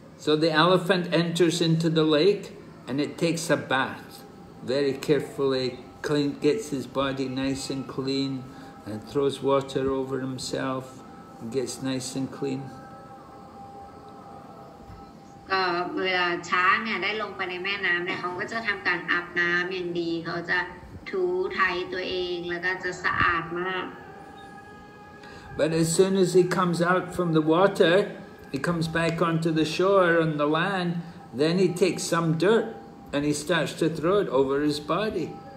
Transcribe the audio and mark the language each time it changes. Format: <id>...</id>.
<en>So the elephant enters into the lake and it takes a bath very carefully, clean, gets his body nice and clean and throws water over himself and gets nice and clean.</en> <th>ก็เวลาช้างเนี่ยได้ลงไปในแม่น้ำเนี่ยเขาก็จะทำการอาบน้ำอย่างดีเขาจะถูไถตัวเองแล้วก็จะสะอาดมาก</th> <en>But as soon as he comes out from the water, he comes back onto the shore on the land, then he takes some dirt and he starts to throw it over his body.</en>